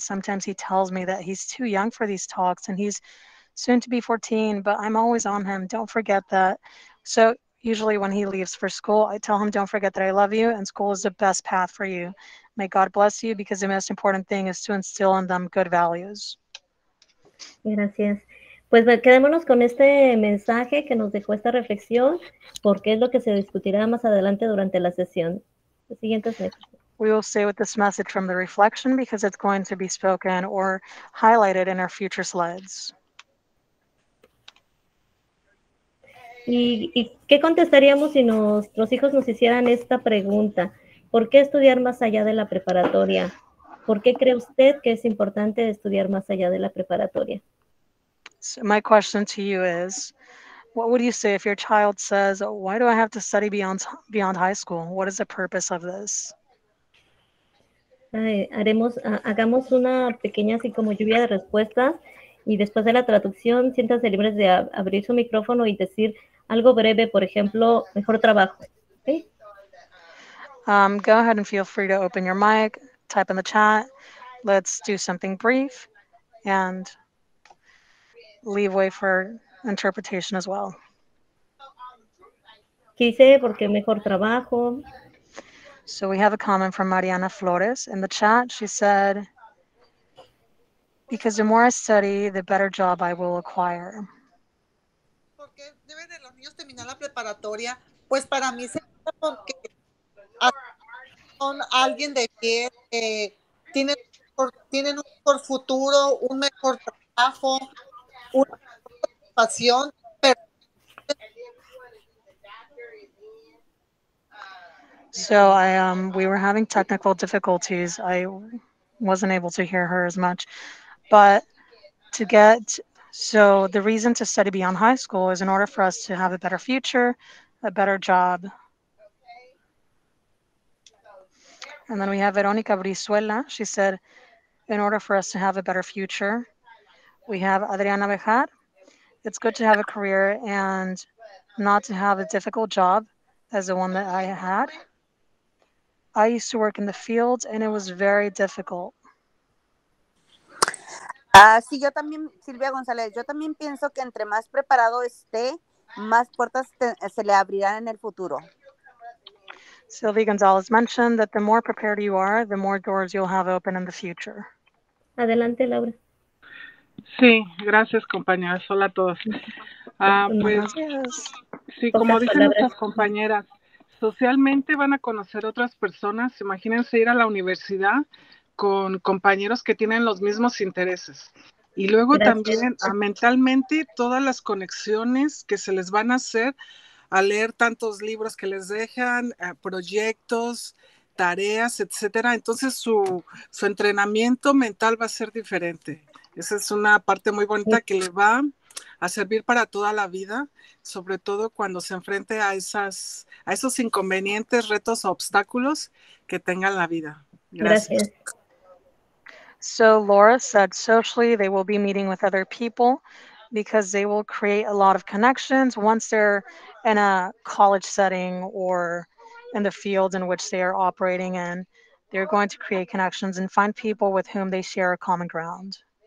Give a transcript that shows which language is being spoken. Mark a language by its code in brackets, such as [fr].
[en] Sometimes he tells me that he's too young for these talks and he's soon to be 14, but I'm always on him. Don't forget that. So usually when he leaves for school, I tell him, don't forget that I love you and school is the best path for you. May God bless you, because the most important thing is to instill in them good values. [es] Gracias. Pues quedémonos con este mensaje que nos dejó esta reflexión, porque es lo que se discutirá más adelante durante la sesión. La siguiente sesión. [en] We will stay with this message from the reflection, because it's going to be spoken or highlighted in our future slides. [es] ¿Y qué contestaríamos si nuestros hijos nos hicieran esta pregunta? ¿Por qué estudiar más allá de la preparatoria? ¿Por qué cree usted que es importante estudiar más allá de la preparatoria? [en] So my question to you is, what would you say if your child says, why do I have to study beyond high school? What is the purpose of this? [es] Hagamos una pequeña así como lluvia de respuestas, y después de la traducción, siéntanse libres de abrir su micrófono y decir algo breve, por ejemplo, mejor trabajo. ¿Okay? [en] Go ahead and feel free to open your mic, type in the chat, let's do something brief, and leave way for interpretation as well. [es] Quise porque mejor trabajo. [en] So we have a comment from Mariana Flores in the chat. She said, because the more I study, the better job I will acquire. [es] Porque deben de los niños terminar la preparatoria, pues para mí se porque son alguien de que tienen un mejor futuro, un mejor trabajo, una pasión. [en] So we were having technical difficulties. I wasn't able to hear her as much, but the reason to study beyond high school is in order for us to have a better future, a better job. And then we have Veronica Brizuela. She said, in order for us to have a better future. We have Adriana Bejar. It's good to have a career and not to have a difficult job as the one that I had. I used to work in the field and it was very difficult. [es] Sí, yo también, Silvia González, yo también pienso que entre más preparado esté, más puertas se le abrirán en el futuro. [en] Sylvie Gonzalez mentioned that the more prepared you are, the more doors you'll have open in the future. [es] Adelante, Laura. Sí, gracias, compañeras. Hola a todos. Pues, sí, como dicen nuestras compañeras, socialmente van a conocer otras personas. Imagínense ir a la universidad con compañeros que tienen los mismos intereses. Y luego también, mentalmente, todas las conexiones que se les van a hacer a leer tantos libros que les dejan, proyectos, tareas, etcétera. Entonces, su entrenamiento mental va a ser diferente. Esa es una parte muy bonita que le va a servir para toda la vida, sobre todo cuando se enfrente a esos inconvenientes, retos o obstáculos que tenga en la vida. Gracias. [en] So Laura said socially they will be meeting with other people because they will create a lot of connections once they're in a college setting or in the field in which they are operating in. They're going to create connections and find people with whom they share a common ground.